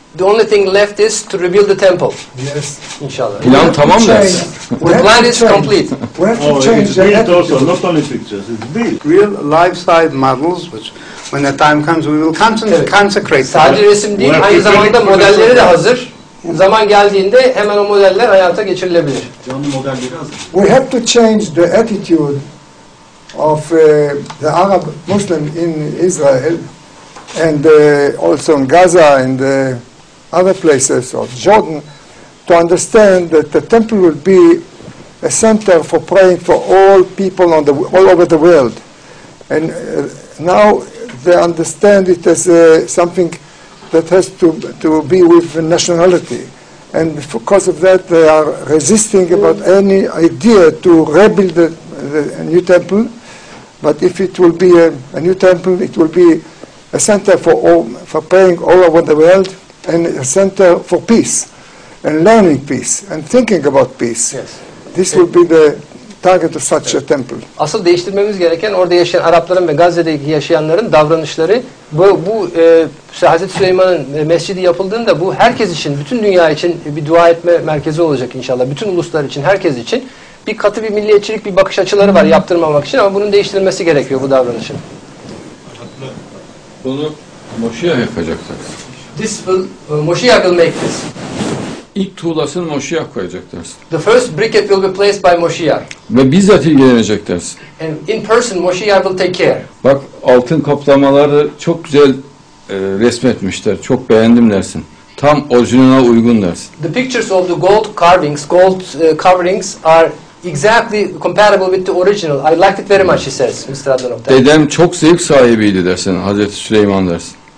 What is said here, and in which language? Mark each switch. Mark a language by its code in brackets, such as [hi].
[en] The only thing left is to rebuild the temple. Yes. [tr] İnşallah. Plan tamam desin. [en] The plan is complete. We have to change the head also, not only pictures. It's built. Real life-size models which when the time comes, we will consecrate. [tr] Sadece resim değil, aynı zamanda modelleri de hazır. Zaman geldiğinde hemen o modeller hayata geçirilebilir. Canlı modelleri hazır. [en] We have to change the attitude of the Arab Muslim in Israel and also in Gaza and other places of Jordan to understand that the temple will be a center for praying for all people on the all over the world. And now they understand it as something that has to be with nationality. And because of that, they are resisting about any idea to rebuild a new temple. But if it will be a new temple, it will be a center for praying all over the world and a center for peace and learning peace and thinking about peace. Yes. This will be the target of such a temple. [tr] Asıl değiştirmemiz gereken orada yaşayan Arapların ve Gazze'deki yaşayanların davranışları. Bu Hazreti Süleyman'ın mescidi yapıldığında bu herkes için, bütün dünya için bir dua etme merkezi olacak inşallah. Bütün uluslar için, herkes için. bir katı bir milliyetçilik bir bakış açıları var yaptırmamak için, ama bunun değiştirilmesi gerekiyor bu davranışın. Bunu Moşiyah yapacaklar. [en] This will Moşiyah will make this. [tr] İlk tuğlasını Moşiyah koyacak dersin. [en] The first briquette will be placed by Moşiyah. [tr] Ve bizzat ilgilenecek dersin. [en] And in person Moşiyah will take care. [tr] Bak altın kaplamaları çok güzel resmetmişler. Çok beğendim dersin. Tam orijinaline uygun dersin. [en] The pictures of the gold carvings, gold coverings are exactly comparable with the original. I liked it very much, he says, Mr. Adnanov. [tr] Dedem çok zevk sahibiydi dersin, Hazreti Süleyman dersin.